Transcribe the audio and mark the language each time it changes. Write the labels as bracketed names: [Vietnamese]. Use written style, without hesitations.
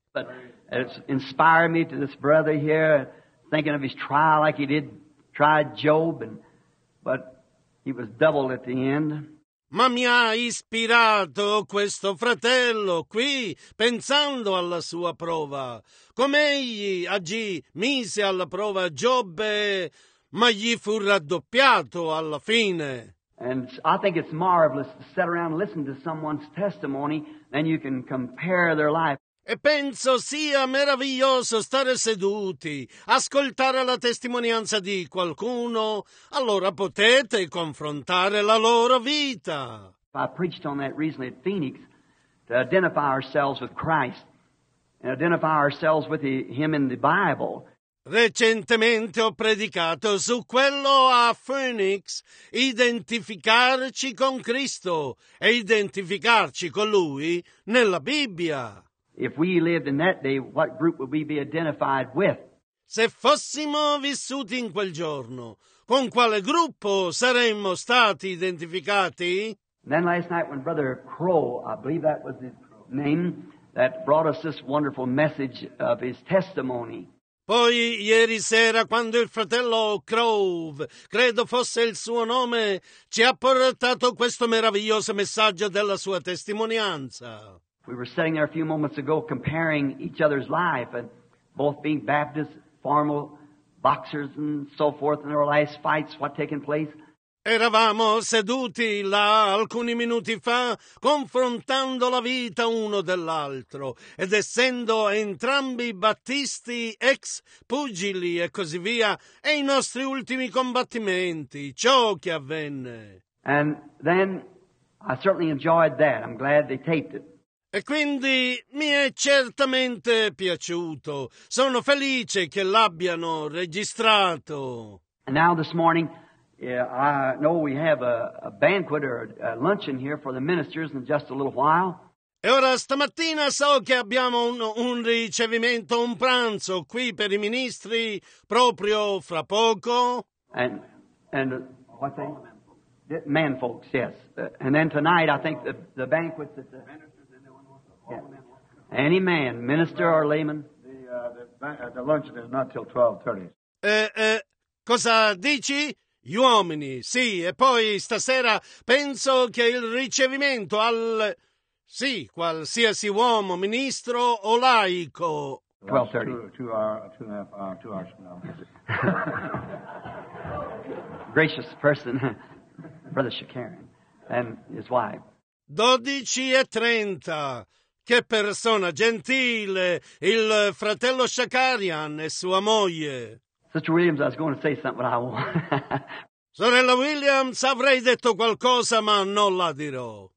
[English] But it's inspired me to this brother here, thinking of his trial like he did, tried Job, but he was doubled at the end. [Italian] Ma mi ha ispirato questo fratello qui, pensando alla sua prova, come egli agì, mise alla prova Giobbe, ma gli fu raddoppiato alla fine. [English] And I think it's marvelous to sit around and listen to someone's testimony, then you can compare their life. [Italian] E penso sia meraviglioso stare seduti, ascoltare la testimonianza di qualcuno, allora potete confrontare la loro vita. [English] I preached on that recently at Phoenix, to identify ourselves with Christ and identify ourselves with him in the Bible. [Italian] Recentemente ho predicato su quello a Phoenix, identificarci con Cristo e identificarci con Lui nella Bibbia. [English] If we lived in that day, what group would we be identified with? [Italian] Se fossimo vissuti in quel giorno, con quale gruppo saremmo stati identificati? [English] And then last night when Brother Crow, I believe that was his name, that brought us this wonderful message of his testimony. [Italian] Poi ieri sera quando il fratello Crowe, credo fosse il suo nome, ci ha portato questo meraviglioso messaggio della sua testimonianza. [English] We were sitting there a few moments ago comparing each other's life, and both being Baptists, formal boxers and so forth, and their last fights, what taken place. [Italian] Eravamo seduti là alcuni minuti fa, confrontando la vita uno dell'altro, ed essendo entrambi battisti, ex pugili e così via, e i nostri ultimi combattimenti, ciò che avvenne. [English] And then I certainly enjoyed that. I'm glad they taped it. [Italian] E quindi mi è certamente piaciuto. Sono felice che l'abbiano registrato. [English] And now this morning, I know we have a banquet or a luncheon here for the ministers in just a little while. [Italian] E ora stamattina so che abbiamo un ricevimento, un pranzo qui per i ministri proprio fra poco. [English] And what's that? Man folks, yes. And then tonight, I think the banquet's at the... Yeah. Any man, minister or layman? The luncheon is not till 12:30. [Italian] Cosa dici? Gli uomini, sì. E poi stasera penso che il ricevimento al... Sì, qualsiasi uomo, ministro o laico. 12:30. [English] Two hours from now. Gracious person, Brother Shakarin and his wife. 12:30. [Italian] Che persona gentile, il fratello Shakarian e sua moglie. [English] Sister Williams, I was going to say something, but I won't. [Italian] Sorella Williams, avrei detto qualcosa, ma non la dirò.